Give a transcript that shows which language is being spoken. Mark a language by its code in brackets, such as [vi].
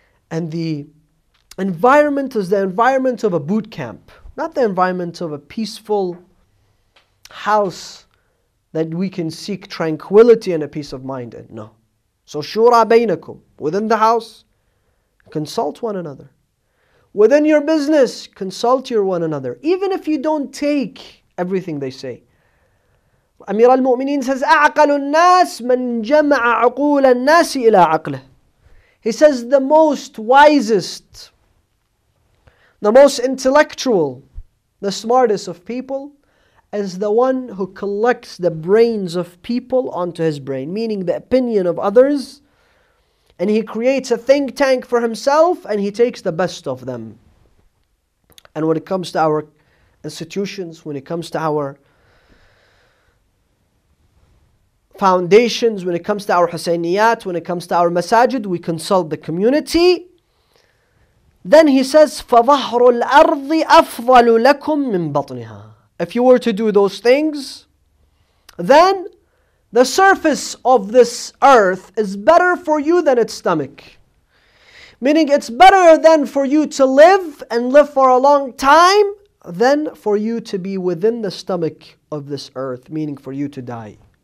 [en] And the environment is the environment of a boot camp, not the environment of a peaceful house that we can seek tranquility and a peace of mind in. No. So shura baynakum, within the house, consult one another. Within your business, consult your one another. Even if you don't take everything they say. Amir al-Mu'mineen says, [ar] أَعْقَلُ النَّاسِ مَنْ جَمَعَ عُقُولَ النَّاسِ إِلَىٰ عَقْلِهِ. [en] He says, the most wisest, the most intellectual, the smartest of people is the one who collects the brains of people onto his brain, meaning the opinion of others. And he creates a think tank for himself and he takes the best of them. And when it comes to our institutions, when it comes to our foundations, when it comes to our Husayniyat, when it comes to our masajid, we consult the community. Then he says, [ar] فَظَهْرُ الْأَرْضِ أَفْضَلُ لَكُمْ مِنْ بَطْنِهَا. [en] If you were to do those things, then the surface of this earth is better for you than its stomach. Meaning it's better than for you to live and live for a long time than for you to be within the stomach of this earth, meaning for you to die.